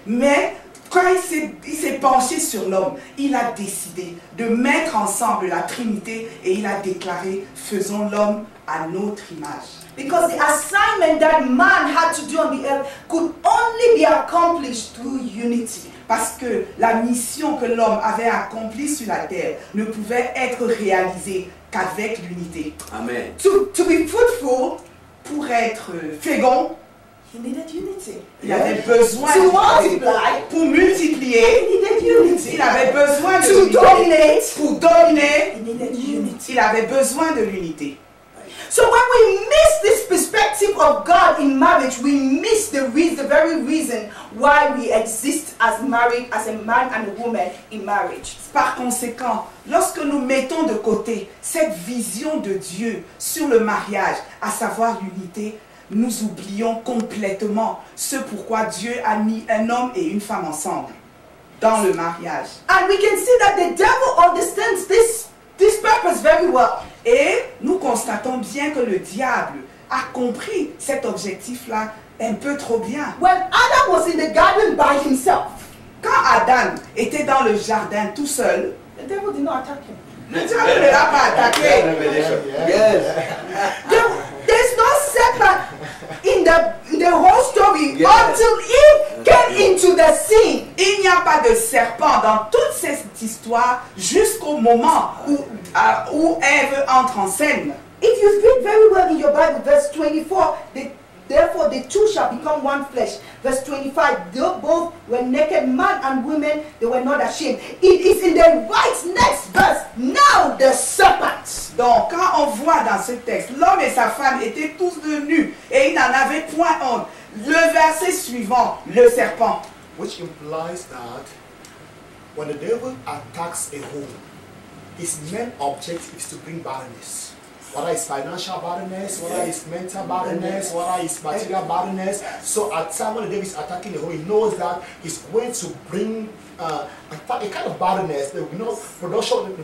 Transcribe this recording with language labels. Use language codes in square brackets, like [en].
[fr] Mais quand il s'est penché sur l'homme, il a décidé de mettre ensemble la Trinité et il a déclaré, faisons l'homme à notre image. [en] Because the assignment that man had to do on the earth could only be accomplished through unity. [fr] Parce que la mission que l'homme avait accomplie sur la terre ne pouvait être réalisée qu'avec l'unité. [en] Amen. To be fruitful, [fr] pour être fécond, [en] he needed unity. [fr] Il avait besoin [en] to multiply, [fr] pour multiplier, [en] he needed unity. [fr] Il avait besoin de [en] to [fr] l'unité. [en] Dominate, [fr] pour dominer, [en] he needed unity. [fr] Il avait besoin de l'unité. [en] So when we miss this perspective of God in marriage, we miss the very reason why we exist as married, as a man and a woman in marriage. [fr] Par conséquent, lorsque nous mettons de côté cette vision de Dieu sur le mariage, à savoir l'unité, nous oublions complètement ce pourquoi Dieu a mis un homme et une femme ensemble dans le mariage. [en] And we can see that the devil understands this purpose very well. [fr] Et nous constatons bien que le diable a compris cet objectif-là un peu trop bien. [en] When Adam was in the garden by himself, [fr] quand Adam était dans le jardin tout seul, [en] the devil did not attack him. [fr] Le diable ne l'a pas attaqué. [en] Yes. There's no separate in the whole story, yes, until he came into the scene. [fr] Il n'y a pas de serpent dans toute cette histoire jusqu'au moment où Eve entre en scène. [en] If you read very well in your Bible, verse 24, therefore the two shall become one flesh. Verse 25, though both were naked, man and woman, they were not ashamed. It is in the right next verse, now the serpent. [fr] Donc, quand on voit dans ce texte, l'homme et sa femme étaient tous deux nus et ils n'en avaient point honte. Le verset suivant, le serpent. [en] Which implies that when the devil attacks a home, his main objective is to bring barrenness. Whether it's financial barrenness, whether it's mental barrenness, whether it's material barrenness. So at some point, the devil is attacking the home. He knows that he's going to bring a kind of barrenness, that, you know, production.